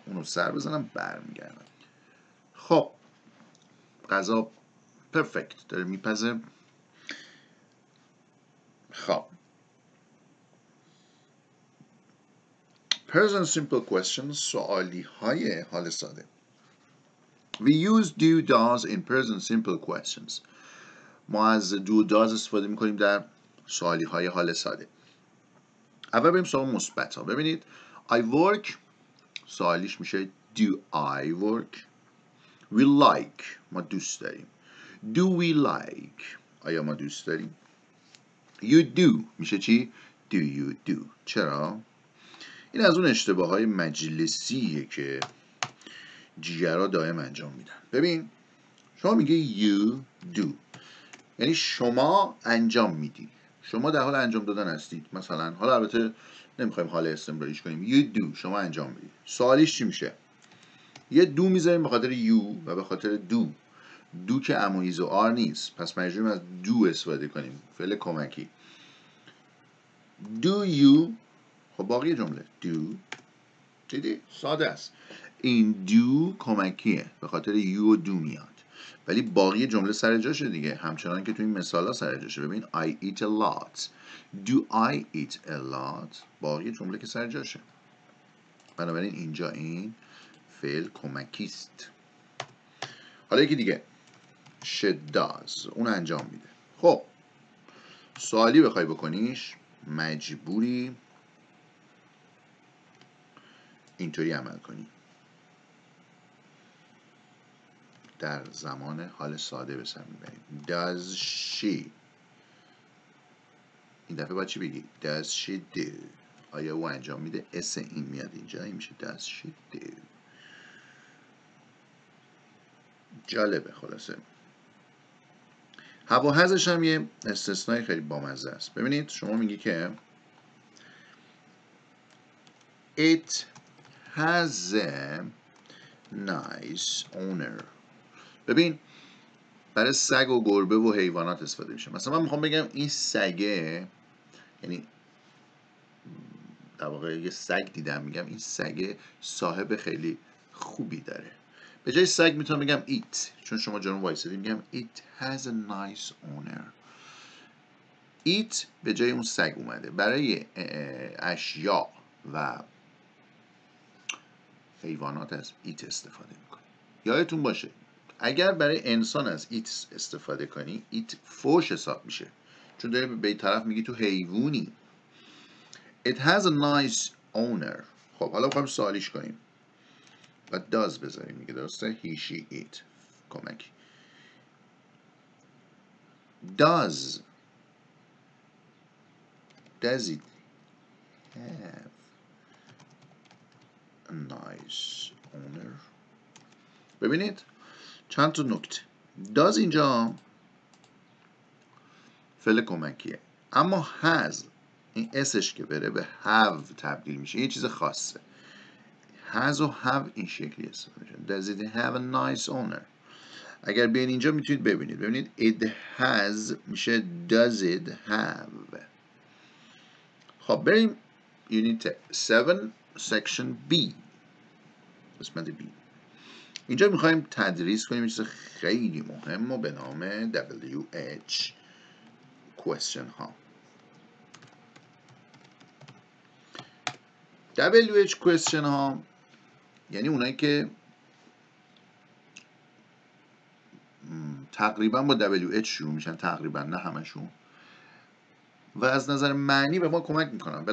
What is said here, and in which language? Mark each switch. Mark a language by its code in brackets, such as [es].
[fa] اونو سر بزنم برمیگردم. خب غذا پرفکت داره میپزه. خب [en] Present simple questions، [fa] سوالی های حال ساده. [en] We use do does in present simple questions. [fa] ما از do does استفاده میکنیم در سوالی های حال ساده. اول بریم سوال مثبت ها. ببینید [en] I work، [fa] سوالیش میشه [en] do I work. We like، [fa] ما دوست داریم. [en] Do we like، [fa] آیا ما دوست داریم. [en] You do [fa] میشه چی؟ [en] Do you do. [fa] چرا؟ این از اون اشتباه های مجلسیه که جیگرا دائم انجام میدن. ببین شما میگه [en] you do، [fa] یعنی شما انجام میدی، شما در حال انجام دادن هستید. مثلا حالا البته نمیخوایم حال استمراریش کنیم، [en] you do [fa] شما انجام میدی. سوالیش چی میشه؟ یه do میذاریم به خاطر you و به خاطر do، دو که ام و ایز و آر نیست، پس مجبوریم از دو استفاده کنیم، فعل کمکی. دو یو، خب باقی جمله دو دیدی؟ ساده است. این دو کمکیه، به خاطر یو و دو میاد، ولی باقی جمله سر جاشه دیگه، همچنان که تو این مثالا سر جاشه. [en] ببین I eat a lot، do I eat a lot، [fa] باقی جمله که سر جاشه. بنابراین اینجا این فعل کمکیست. حالا یکی دیگه [en] she does، [fa] اون انجام میده. خب سوالی بخوای بکنیش مجبوری اینطوری عمل کنی، در زمان حال ساده بسر میبریم. [en] Does she، [fa] این دفعه باید چی بگی؟ [en] Does she do، [fa] آیا او انجام میده؟ اس این میاد اینجا، این میشه Does she do. جالبه. خلاصه هوا هزش هم یه استثنای خیلی بامزه است. ببینید شما میگی که [en] It has a nice owner. [fa] ببین برای سگ و گربه و حیوانات استفاده میشه. مثلا من میخوام بگم این سگه، یعنی در واقع یه سگ دیدم، میگم این سگه صاحب خیلی خوبی داره. به جای سگ میتونم بگم it، چون شما جانو وایسدی، میگم [en] it has a nice owner. [fa] it به جای اون سگ اومده. برای اشیاء و حیوانات از it استفاده میکنی. یادتون باشه اگر برای انسان از it استفاده کنی it فوش حساب میشه، چون داری به طرف میگی تو حیوانی. [en] it has a nice owner. [fa] خب حالا بخواهم سوالیش کنیم و does بذاریم، میگه درسته [en] he she it [fa] کمک. [en] does it have a nice owner. [fa] ببینید چند تا نکته. does اینجا فعل کمکیه، اما has این اسش که بره به have تبدیل میشه، یه چیز خاصه. has و have این شکلی استفاده میشه. [en] does it have a nice owner. [fa] اگر بیان اینجا میتونید ببینید، ببینید [en] it has [fa] میشه [en] does it have. [fa] خب بریم [en] unit 7 section B، قسمت B. [fa] اینجا میخواییم تدریس کنیم چیز خیلی مهم و به نام WH question ها. WH question ها یعنی اونایی که تقریبا با WH شروع میشن، تقریبا نه همشون، و از نظر معنی به ما کمک میکنن.